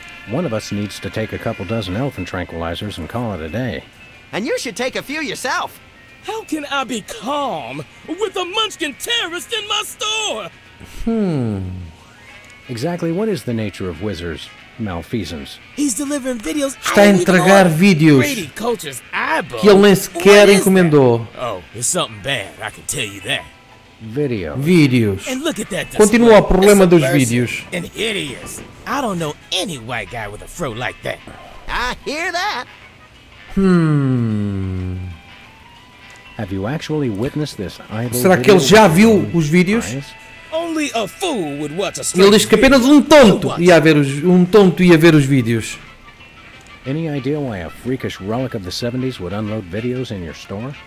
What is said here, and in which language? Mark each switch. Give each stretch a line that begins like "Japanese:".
English: One of us needs to take a couple dozen elephant tranquilizers and call it a day. And you should take a few yourself! How can I be calm with a munchkin terrorist in my store? Exactly what is the nature of Wizard's malfeasance? He's delivering videos.
Portuguese: Está a entregar vídeos que ele nem sequer encomendou.
English: Oh, it's something bad, I can tell you that. Video.
Portuguese: Vídeos. Continua o problema dos vídeos.
English: An idiot. I don't know any white guy with a fro like that. I hear that. Have you actually witnessed this?
Portuguese: Será que ele já viu os vídeos?
English: Only a fool would watch a stream.
Portuguese: Ele diz que apenas um tonto ia ver os vídeos.
English: Any idea why a freakish relic of the 70s would unload videos in your store?